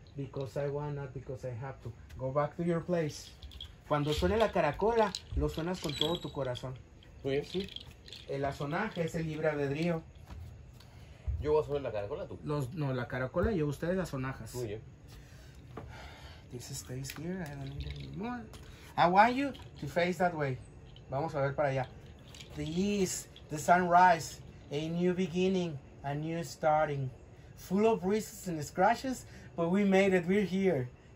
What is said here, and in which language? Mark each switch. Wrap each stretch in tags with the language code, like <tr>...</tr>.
<en>Because I want, not because I have to. Go back to your place.</en> <es>Cuando suene la caracola, lo suenas con todo tu corazón. Muy bien. Sí. El azonaje es el libre albedrío. ¿Yo voy a sonar la caracola, tú? No, la caracola y yo, ustedes las sonajas. Muy bien.</es> <en>This stays here, I don't need it anymore. I want you to face that way.</en> <es>Vamos a ver para allá.</es> <en>The east, the sunrise, a new beginning, a new starting. Full of bruises and scratches, but we made it, we're here.</en>